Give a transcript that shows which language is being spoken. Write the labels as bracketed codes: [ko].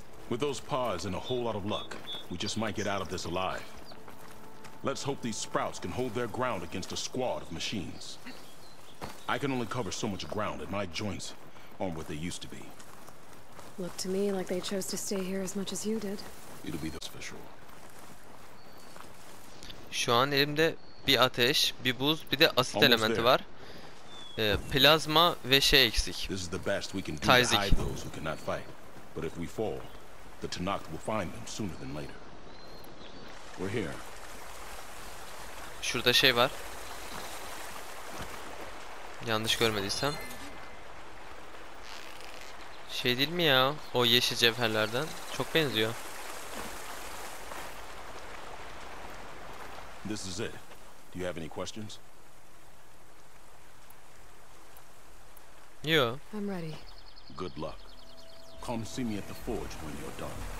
[en] With those paws and a whole lot of luck, we just might get out of this alive. Let's hope these sprouts can hold their ground against a squad of machines. I can only cover so much ground, and my joints aren't what they used to be. Looked to me like they chose to stay here as much as you did. It'll be this for sure. [tr] Şu an elimde bir ateş, bir buz, bir de asit elementi var. Plazma ve şey eksik. [en] This is the best we can do to hide those who cannot fight. But if we fall, the Tanakhth will find them sooner than later. We're here. [tr] Şurada şey var. Yanlış görmediysem. Şey değil mi ya? O yeşil cevherlerden çok benziyor. [en] This is it. Do you have any questions? Yo. I'm ready. Good luck. Come see me at the forge when you're done.